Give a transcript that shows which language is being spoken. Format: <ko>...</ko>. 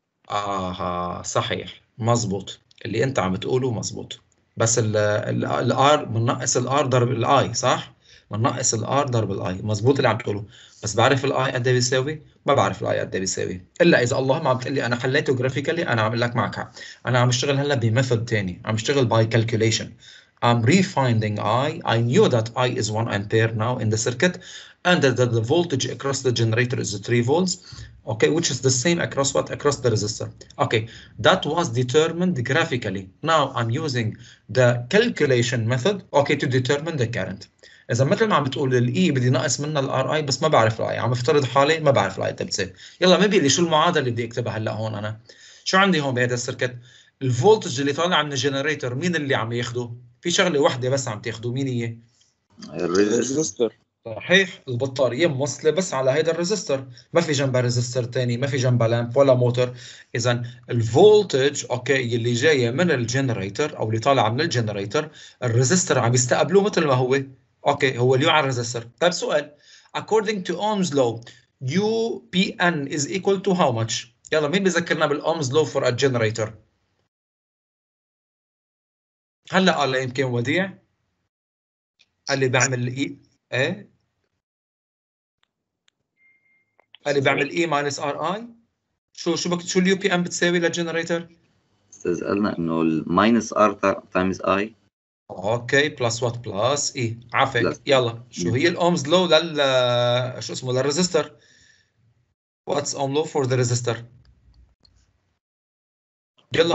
<ar>اها صحيح مزبوط اللي انت عم تقوله مزبوط بس الار بنقص الار ضرب الاي صح؟ بنقص الار ضرب الاي مزبوط اللي عم تقوله بس بعرف الاي قد ايه بيساوي؟ ما بعرف الاي قد ايه بيساوي الا اذا اللهم عم تقول لي انا حليته جرافيكالي. انا عم اقول لك معك انا عم اشتغل هلا بميثود ثاني عم اشتغل باي كالكوليشن.</ar> <en>I'm refinding I. I knew that I is 1 ampere now in the circuit, and that the voltage across the generator is 3 volts, okay, which is the same across what? Across the resistor. Okay, that was determined graphically. Now I'm using the calculation method, okay, to determine the current.</en> <ar>إذا مثل ما عم بتقول الـ E بدي ناقص منها الـ RI بس ما بعرف الـ I، عم بفترض حالي ما بعرف الـ I تبسي. يلا ما بيلي شو المعادلة اللي بدي اكتبها هلا هون أنا؟ شو عندي هون بهذا السيركت؟ الفولتج اللي طالع من الجنريتور مين اللي عم ياخده؟ في شغلة واحدة بس عم تاخده، مين هي؟ الريزستور. صحيح، البطارية موصلة بس على هيدا الريزستور، ما في جنبها ريزستور تاني، ما في جنبها لامب ولا موتور. إذا الفولتج أوكي اللي جاية من الجنريتور أو اللي طالعة من الجنريتور، الريزستور عم يستقبله مثل ما هو. اوكي هو اللي على الريزستور. طيب سؤال،</ar> <en>according to Ohm's law UPN is equal to how much؟</en> <ar>يلا مين بذكرنا بالOhm's law for a generator؟ هلا قال لي يمكن وديع اللي بعمل E ايه اللي بعمل E minus RI. شو الـ UPN بتساوي للجنريتور؟ استاذ قالنا انه الـ</ar> <en>minus R times I</en> <ar>اوكي بلس وات بلس اي عفك. يلا شو هي الاومز لو لل شو اسمه للريزستور؟</ar> <en>What's Ohm law for the resistor?</en> <ar>يلا</ar>